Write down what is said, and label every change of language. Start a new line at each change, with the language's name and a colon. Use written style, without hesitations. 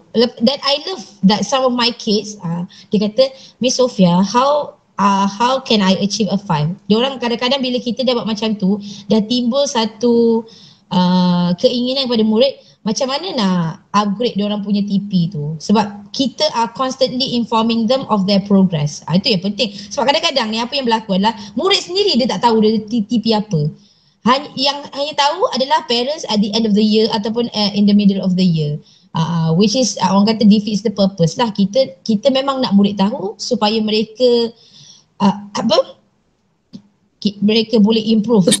English: Then I love that some of my kids,
Malay: dia kata,
English: Miss Soffea, how can I achieve a 5?
Malay: Diorang kadang-kadang bila kita dah buat macam tu, dah timbul satu keinginan kepada murid, macam mana nak upgrade diorang punya TP tu. Sebab kita
English: are constantly informing them of their progress.
Malay: Itu yang penting. Sebab kadang-kadang ni apa yang berlaku adalah murid sendiri dia tak tahu dia TP apa. Yang hanya tahu adalah
English: parents at the end of the year
Malay: ataupun
English: in the middle of the year. Which is
Malay: orang kata
English: defeats the purpose lah.
Malay: Kita memang nak murid tahu supaya mereka mereka boleh improve.